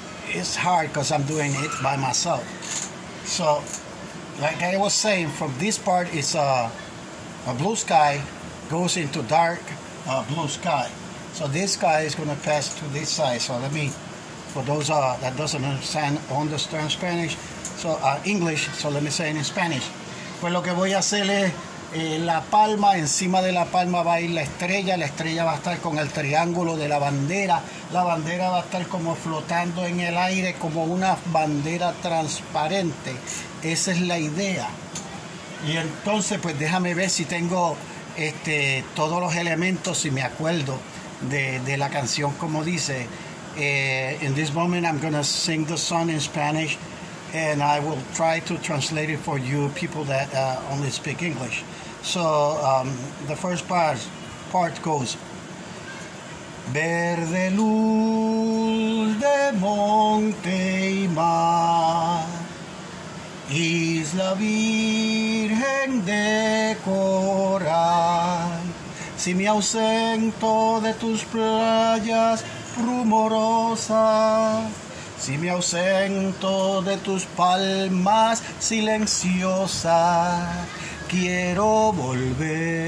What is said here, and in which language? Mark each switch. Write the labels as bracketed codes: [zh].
[en] It's hard because I'm doing it by myself. So, like I was saying, from this part it's a blue sky goes into dark blue sky. So this guy is gonna pass to this side. So let me, for those that doesn't understand Spanish, so English, so let me say in Spanish. [es] Pues lo que voy a hacer es, la palma, encima de la palma va a ir la estrella va a estar con el triángulo de la bandera va a estar como flotando en el aire, como una bandera transparente. Esa es la idea. Y entonces, pues déjame ver si tengo todos los elementos, si me acuerdo de la canción, como dice. [en] In this moment, I'm going to sing the song in Spanish. And I will try to translate it for you people that only speak English. So the first part goes. [es] Verde luz de monte y mar, isla virgen de coral. Si me ausento de tus playas rumorosas, si me ausento de tus palmas silenciosas, quiero volver